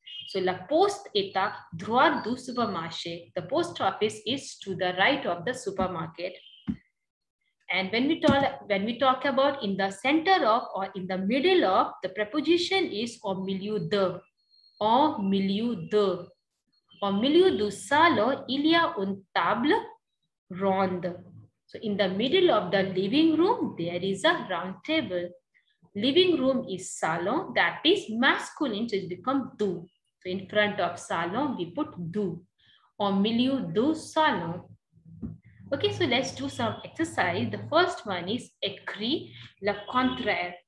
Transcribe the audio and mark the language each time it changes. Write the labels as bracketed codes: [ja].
[fr] So la post est à droite du supermarché. [en] The post office is to the right of the supermarket. And when we talk about in the center of or in the middle of, the preposition is au milieu de. [fr] Au milieu de. Au milieu du salon, il y a une table ronde. [en] So in the middle of the living room, there is a round table. Living room is salon, that is masculine, so it becomes du. So in front of salon, we put du. Au milieu du salon. Okay, so let's do some exercise. The first one is écrit le contraire.